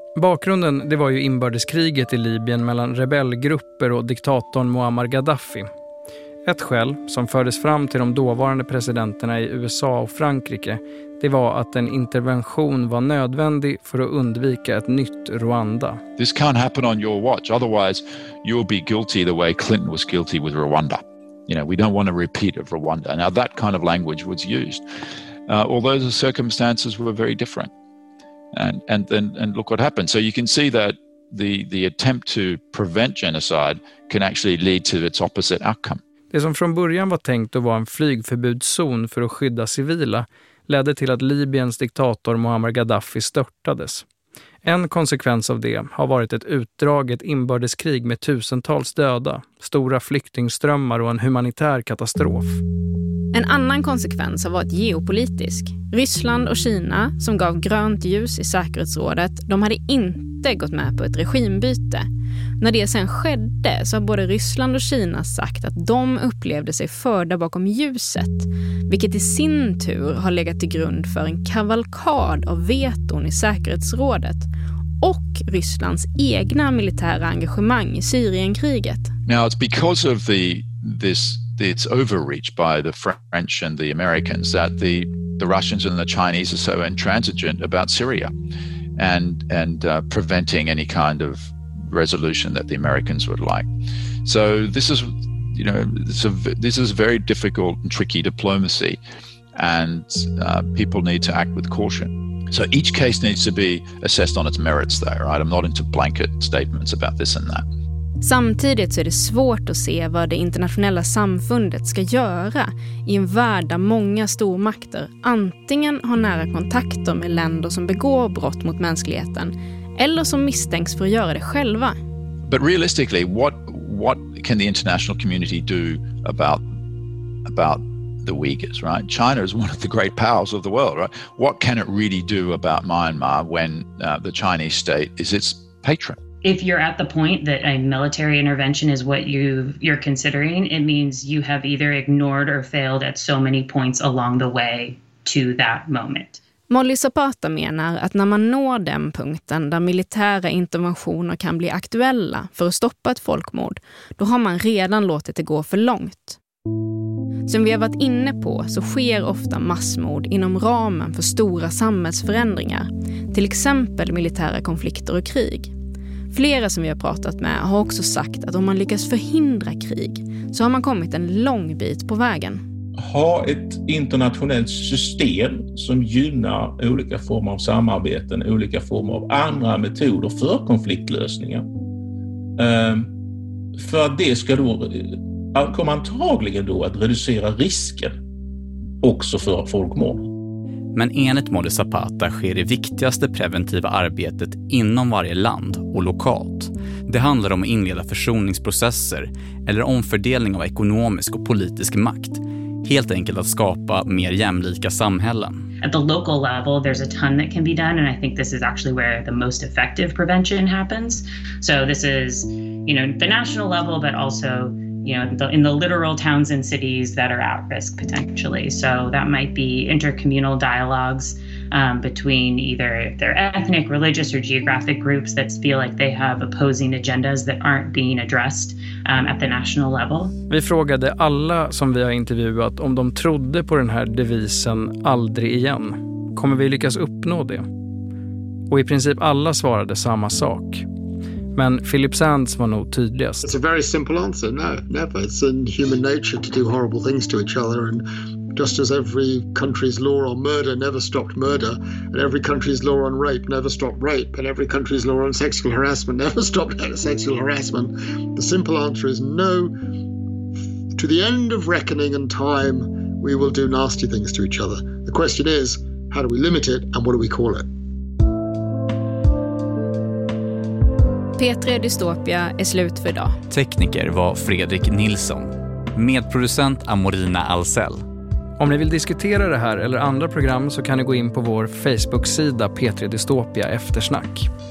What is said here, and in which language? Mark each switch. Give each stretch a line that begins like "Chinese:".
Swedish: Bakgrunden, det var ju inbördeskriget i Libyen mellan rebellgrupper och diktatorn Muammar Gaddafi. Ett skäl som fördes fram till de dåvarande presidenterna i USA och Frankrike, det var att en intervention var nödvändig för att undvika ett nytt Rwanda.
English: This can't happen on your watch, otherwise you'll be guilty the way Clinton was guilty with Rwanda. You know, we don't want a repeat of Rwanda. Now that kind of language was used. Although the circumstances were very different. And look what happened. So you can see that the attempt to prevent genocide can actually lead to its opposite outcome.
Swedish: Det som från början var tänkt att vara en flygförbudszon för att skydda civila ledde till att Libyens diktator Muammar Gaddafi störtades. En konsekvens av det har varit ett utdraget inbördeskrig med tusentals döda, stora flyktingströmmar och en humanitär katastrof. En annan konsekvens har varit geopolitisk. Ryssland och Kina, som gav grönt ljus i säkerhetsrådet, de hade inte gått med på ett regimbyte. När det sen skedde så har både Ryssland och Kina sagt att de upplevde sig förda bakom ljuset, vilket i sin tur har legat till grund för en kavalkad av veton i säkerhetsrådet och Rysslands egna militära engagemang i Syrienkriget.
English: Now it's because of its overreach by the French and the Americans that the Russians and the Chinese are so intransigent about Syria and preventing any kind of resolution that the Americans would like. So this is, you know, this is very difficult and tricky diplomacy, and people need to act with caution. So each case needs to be assessed on its merits though, right? I'm not into blanket statements about this and that.
Swedish: Samtidigt så är det svårt att se vad det internationella samfundet ska göra i en värld där många stormakter antingen har nära kontakter med länder som begår brott mot mänskligheten eller som misstänks för att göra det själva.
English: But realistically, what can the international community do about the Uyghurs, right? China is one of the great powers of the world, right? What can it really do about Myanmar when the Chinese state is its patron? If you're at the point that a military intervention is what you're considering, it means you have either ignored or failed at so many points along the way to that moment.
Swedish: Molly Zapata menar att när man når den punkten där militära interventioner kan bli aktuella för att stoppa ett folkmord, då har man redan låtit det gå för långt. Som vi har varit inne på så sker ofta massmord inom ramen för stora samhällsförändringar, till exempel militära konflikter och krig. Flera som vi har pratat med har också sagt att om man lyckas förhindra krig så har man kommit en lång bit på vägen. Ha ett internationellt system som gynnar olika former av samarbeten, olika former av andra metoder för konfliktlösningar. För att det ska då komma antagligen då att reducera risken också för folkmord. Men enligt Molly Zapata sker det viktigaste preventiva arbetet inom varje land och lokalt. Det handlar om att inleda försoningsprocesser eller omfördelning av ekonomisk och politisk makt. Helt enkelt att skapa mer jämlika samhällen.
English: At the local level there's a ton that can be done, and I think this is actually where the most effective prevention happens. So this is, you know, the national level but also, you know, in the literal towns and cities that are at risk potentially. So that might be intercommunal dialogues between either their ethnic, religious or geographic groups that feel like they have opposing agendas that aren't being addressed at the national level.
Swedish: Vi frågade alla som vi har intervjuat om de trodde på den här devisen aldrig igen. Kommer vi lyckas uppnå det? Och i princip alla svarade samma sak. Men Philip Sands var nog tydligast.
English: It's a very simple answer. No, never. It's in human nature to do horrible things to each other. And just as every country's law on murder never stopped murder, and every country's law on rape never stopped rape, and every country's law on sexual harassment never stopped sexual harassment, the simple answer is no. To the end of reckoning and time, we will do nasty things to each other. The question is, how do we limit it, and what do we call it?
Swedish: P3 Dystopia är slut för idag. Tekniker var Fredrik Nilsson. Medproducent Amorina Alsell. Om ni vill diskutera det här eller andra program så kan ni gå in på vår Facebook-sida P3 Dystopia Eftersnack.